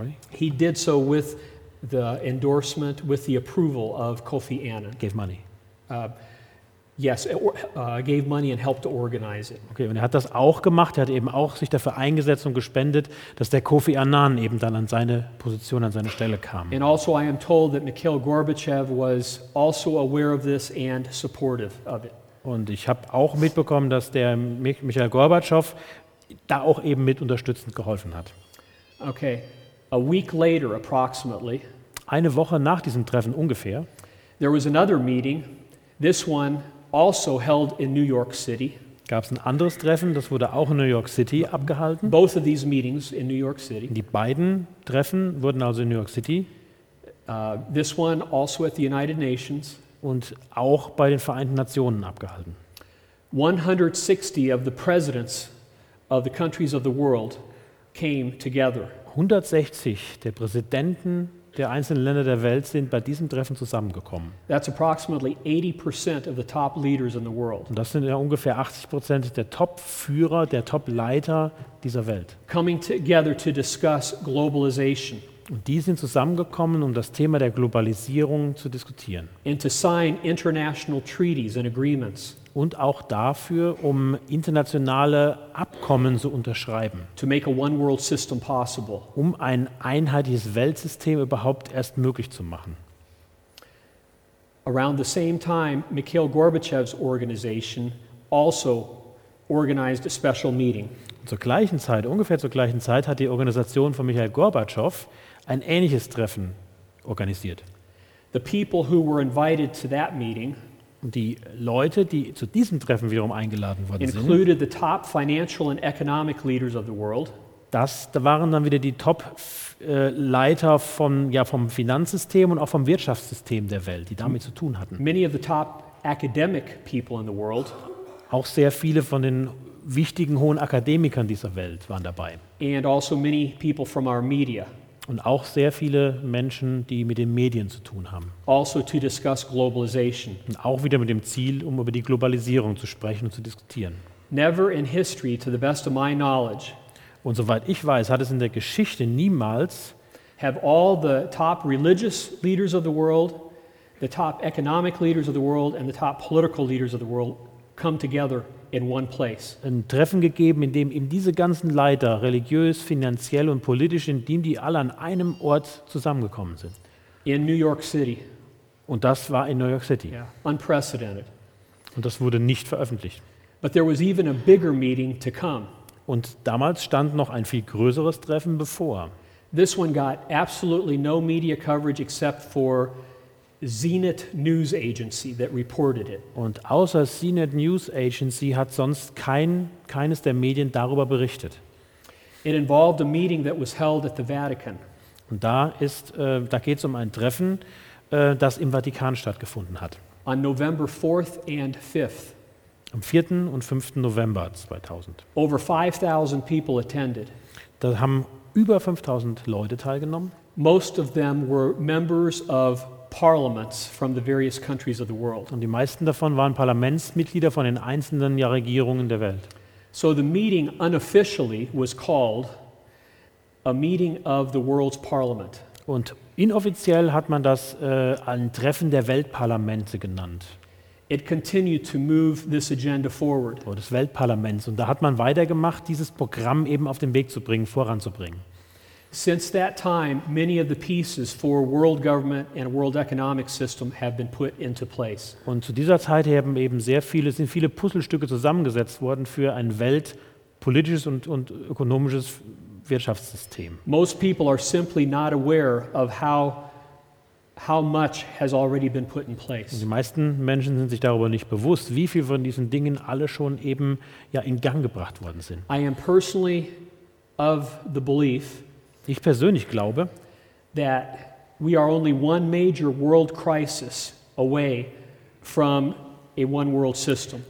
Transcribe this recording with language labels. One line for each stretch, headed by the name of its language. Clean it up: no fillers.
English: He did so with the endorsement, with the approval of Kofi Annan. Gave money. Gave money and helped to organize it.
German: Okay, und er hat das auch gemacht. Er hat eben auch sich dafür eingesetzt und gespendet, dass der Kofi Annan eben dann an seine Position, an seine Stelle kam.
English: And also, I am told that Mikhail Gorbachev was also aware of this and supportive of it.
German: Und ich habe auch mitbekommen, dass der Mikhail Gorbachev da auch eben mit unterstützend geholfen hat.
English: Okay, a week later, approximately.
German: Eine Woche nach diesem Treffen ungefähr.
English: There was another meeting. This one also held in New York City.
German: Gab es ein anderes Treffen, das wurde auch in New York City abgehalten.
English: Both of these meetings in New York City.
German: Die beiden Treffen wurden also in New York City.
English: This one also at the United Nations.
German: Und auch bei den Vereinten Nationen abgehalten.
English: 160 of the presidents of the countries of the world came together.
German: 160 der Präsidenten der einzelnen Länder der Welt sind bei diesem Treffen zusammengekommen.
English: That's approximately 80% of the top leaders in the world.
German: Und das sind ja ungefähr 80% der Top-Führer, der Top-Leiter dieser Welt.
English: Coming together to discuss globalization.
German: Und die sind zusammengekommen, um das Thema der Globalisierung zu diskutieren.
English: And to sign international treaties and agreements.
German: Und auch dafür, um internationale Abkommen zu unterschreiben,
English: to make a one world system possible.
German: Um ein einheitliches Weltsystem überhaupt erst möglich zu machen.
English: Around the same time, Mikhail Gorbachev's organization also organized a special meeting.
German: Zur gleichen Zeit, ungefähr zur gleichen Zeit, hat die Organisation von Mikhail Gorbachev ein ähnliches Treffen organisiert.
English: The people who were invited to that meeting.
German: Und die Leute, die zu diesem Treffen wiederum eingeladen worden sind,
English: included the top financial and economic leaders of the world.
German: Das waren dann wieder die Top-Leiter vom Finanzsystem und auch vom Wirtschaftssystem der Welt, die damit zu tun hatten.
English: Many of the top academic people in the world.
German: Auch sehr viele von den wichtigen hohen Akademikern dieser Welt waren dabei.
English: And also many people from our media.
German: Und auch sehr viele Menschen, die mit den Medien zu tun haben.
English: Also to discuss globalization.
German: Und auch wieder mit dem Ziel, um über die Globalisierung zu sprechen und zu diskutieren.
English: Never in history, to the best of my knowledge.
German: Und soweit ich weiß, hat es in der Geschichte niemals.
English: Have all the top religious leaders of the world, the top economic leaders of the world, and the top political leaders of the world come together in one place.
German: Ein Treffen gegeben, in dem eben diese ganzen Leiter, religiös, finanziell und politisch, in dem die alle an einem Ort zusammengekommen sind.
English: In New York City.
German: Und das war in New York City.
English: Yeah. Unprecedented.
German: Und das wurde nicht veröffentlicht.
English: But there was even a bigger meeting to come.
German: Und damals stand noch ein viel größeres Treffen bevor.
English: This one got absolutely no media coverage except for Zenit News Agency that reported it.
German: Und außer Zenit News Agency hat sonst keines der Medien darüber berichtet.
English: It involved a meeting that was held at the Vatican.
German: Und da ist da geht's um ein Treffen, das im Vatikan stattgefunden hat.
English: On November 4th and 5th.
German: Am 4. und 5. November 2000.
English: Over 5000 people attended.
German: Da haben über 5000 Leute teilgenommen.
English: Most of them were members of parliaments from the various countries of the world.
German: Und die meisten davon waren Parlamentsmitglieder von den einzelnen Regierungen der Welt.
English: So the meeting unofficially was called a meeting of the world's parliament.
German: Und inoffiziell hat man das ein Treffen der Weltparlamente genannt.
English: It continued to move this agenda forward.
German: Oh, des Weltparlaments. Und da hat man weitergemacht, dieses Programm eben auf den Weg zu bringen, voranzubringen.
English: Since that time, many of the pieces for world government and world economic system have been put into place.
German: Und zu dieser Zeit haben eben sind viele Puzzlestücke zusammengesetzt worden für ein weltpolitisches und ökonomisches Wirtschaftssystem.
English: Most people are simply not aware of how much has already been put in place.
German: Die meisten Menschen sind sich darüber nicht bewusst, wie viel von diesen Dingen alle schon eben ja in Gang gebracht worden sind.
English: I am personally of the belief.
German: Ich persönlich glaube,
English: that we are only one major world crisis away from a one world system.